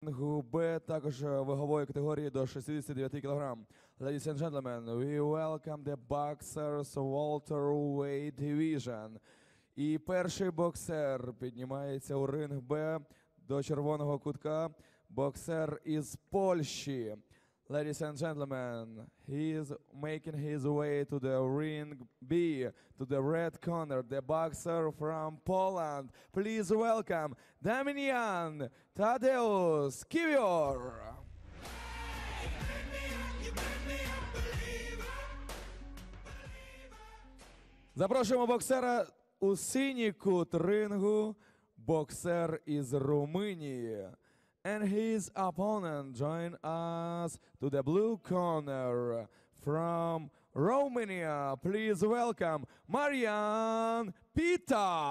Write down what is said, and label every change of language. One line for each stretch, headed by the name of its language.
Ukrainian: губи також вагової категорії до 69 кілограм.
English: Ladies and gentlemen, we welcome the boxers welterweight division.
Ukrainian: І перший боксер піднімається у ринг Б до червоного кутка. Боксер із Польщі.
English: Ladies and gentlemen, he is making his way to the ring B, to the red corner, the boxer from Poland. Please welcome Damian Tadeusz Kiwior.
Ukrainian: Запрошуємо боксера у синій кут рингу, боксер із Румунії.
English: And his opponent join us to the blue corner from Romania. Please welcome Marian Pita.